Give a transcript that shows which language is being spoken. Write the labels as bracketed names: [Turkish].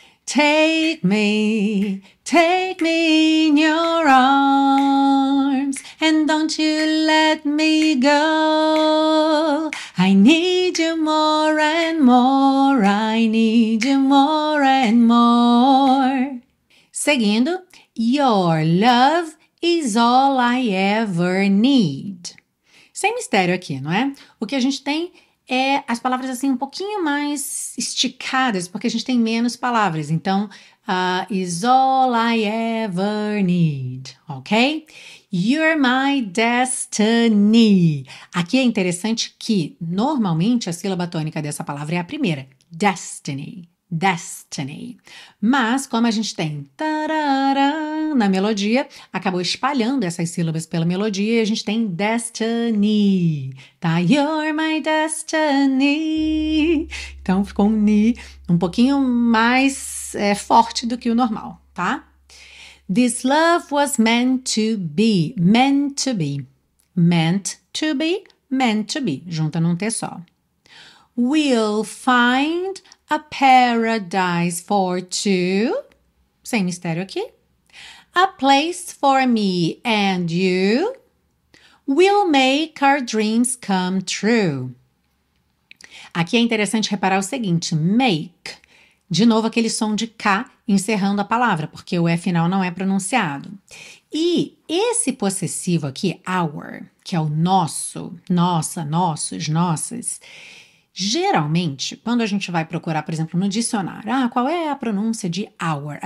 [English] take me in your arms, and don't you let me go. I need you more and more, I need you more and more. [Portuguese] Seguindo, [English] your love is all I ever need. [Portuguese] Sem mistério aqui, não é? O que a gente tem é as palavras assim um pouquinho mais esticadas, porque a gente tem menos palavras. Então, [English] is all I ever need, [Portuguese] ok? [English] You're my destiny. [Portuguese] Aqui é interessante que, normalmente, a sílaba tônica dessa palavra é a primeira. [English] Destiny, destiny. [Portuguese] Mas, como a gente tem tarará na melodia, acabou espalhando essas sílabas pela melodia e a gente tem destiny, tá? [English] You're my destiny. [Portuguese] Então, ficou um ni um pouquinho mais forte do que o normal, tá? [English] This love was meant to be, meant to be. Meant to be, meant to be. [Portuguese] Junta num T só. [English] We'll find a paradise for two. [Portuguese] Sem mistério aqui. [English] A place for me and you. We'll make our dreams come true. [Portuguese] Aqui é interessante reparar o seguinte. [English] Make. [Portuguese] De novo aquele som de K encerrando a palavra, porque o E final não é pronunciado. E esse possessivo aqui, our, que é o nosso, nossa, nossos, nossas, geralmente, quando a gente vai procurar, por exemplo, no dicionário, qual é a pronúncia de our?